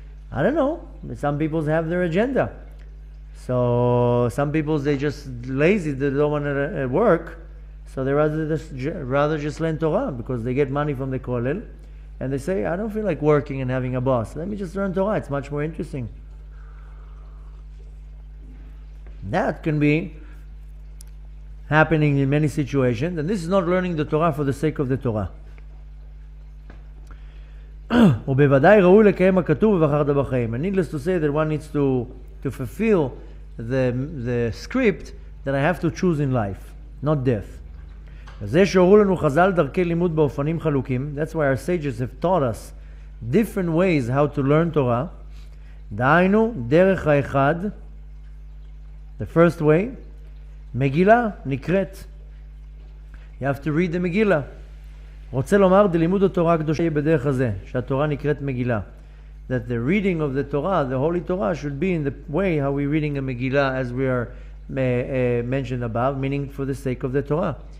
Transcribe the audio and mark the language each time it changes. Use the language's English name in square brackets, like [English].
[English] I don't know, some people have their agenda. So some people, they just lazy, they don't want to work, so they rather just learn Torah because they get money from the Kollel. And they say, I don't feel like working and having a boss. Let me just learn Torah. It's much more interesting. That can be happening in many situations. And this is not learning the Torah for the sake of the Torah. [Hebrew] ובוודאי ראוי לקיים הכתוב ובחרת בחיים. [English] And needless to say that one needs to fulfill the script that I have to choose in life, not death. [Hebrew] זה שהורו לנו חזל דרכי לימוד באופנים חלוקים. [English] That's why our sages have taught us different ways how to learn Torah. [Hebrew] דהיינו, דרך האחד, [English] the first way, [Hebrew] מגילה נקראת. [English] You have to read the מגילה. [Hebrew] רוצה לומר, דלימוד התורה הקדושה יהיה בדרך הזה, שהתורה נקראת מגילה. [English] That the reading of the Torah, the Holy Torah, should be in the way how we're reading a מגילה as we are mentioned above, meaning for the sake of the Torah.